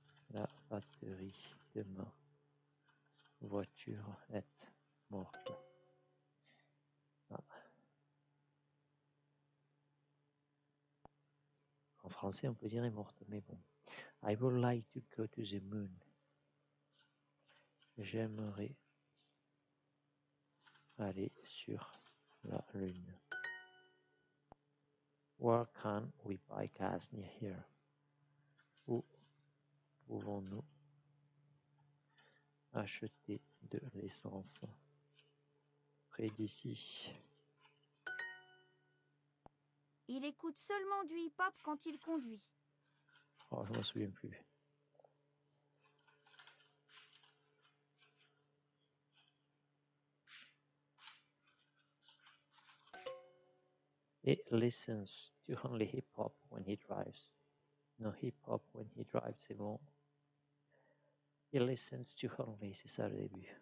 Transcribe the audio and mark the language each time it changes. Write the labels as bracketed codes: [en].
[fr] La batterie de ma voiture est morte. Ah. En français, on peut dire est morte, mais bon. [en] I would like to go to the moon. [fr] J'aimerais aller sur la lune. [en] Where can we buy gas near here? [fr] Où pouvons-nous acheter de l'essence près d'ici? Il écoute seulement du hip-hop quand il conduit. Oh, je ne me souviens plus. [en] He listens to only hip-hop when he drives. No hip-hop when he drives, [fr] c'est bon. [en] He listens to only, [fr] c'est ça le début.